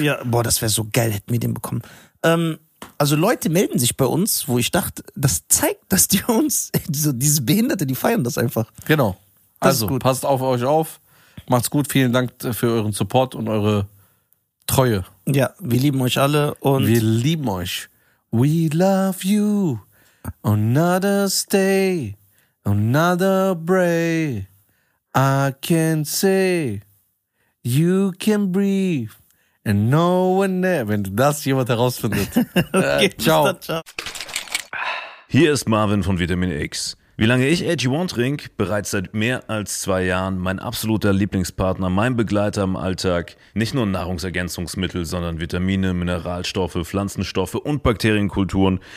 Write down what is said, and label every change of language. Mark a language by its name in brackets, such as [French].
[German] Ja, boah, das wäre so geil, hätten wir den bekommen. Also Leute melden sich bei uns, wo ich dachte, das zeigt, dass die uns, so diese Behinderte, die feiern das einfach. Genau. Also passt auf euch auf. Macht's gut. Vielen Dank für euren Support und eure Treue. Ja, wir lieben euch alle. Und wir lieben euch. [English] We love you. Another stay, another break. I can say, you can breathe, and no one ever. [German] Wenn das jemand herausfindet. Okay, ciao. Dann, ciao. Hier ist Marvin von Vitamin X. Wie lange ich AG1 trinke? Bereits seit mehr als 2 Jahren. Mein absoluter Lieblingspartner, mein Begleiter im Alltag. Nicht nur Nahrungsergänzungsmittel, sondern Vitamine, Mineralstoffe, Pflanzenstoffe und Bakterienkulturen.